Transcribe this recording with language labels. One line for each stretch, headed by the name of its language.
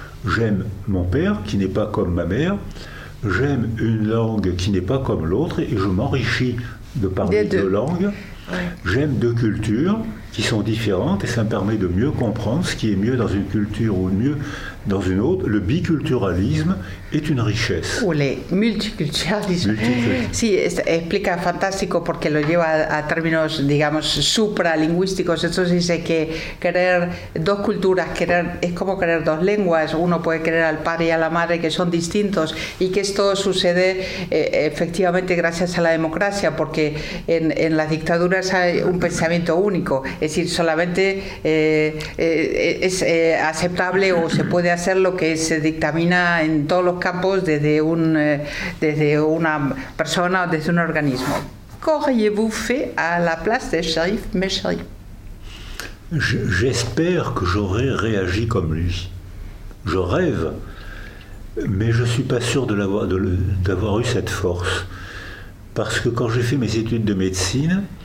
French: J'aime mon père qui n'est pas comme ma mère, j'aime une langue qui n'est pas comme l'autre et je m'enrichis de parler deux langues. Ouais. J'aime deux cultures qui sont différentes et ça me permet de mieux comprendre ce qui est mieux dans une culture ou mieux dans une autre. Le biculturalisme est une richesse. Ou le multiculturalisme.
Spanish: Sí, explica fantástico porque lo lleva a términos, digamos, supralingüísticos. Entonces dice que querer dos culturas, querer, es como querer dos lenguas. Uno puede querer al padre y a la madre que son distintos y que esto sucede efectivamente gracias a la democracia porque en las dictaduras hay un pensamiento único. Es decir, solamente es aceptable o se puede hacer lo que se dictamina en todos los campos desde una persona o desde un organismo.
French: ¿Qu'auriez-vous fait à la place de Shérif Meshri? J'espère que j'aurais réagi comme lui. Je rêve, mais je ne suis pas sûr d'avoir eu cette force. Parce que quand j'ai fait mes études de médecine,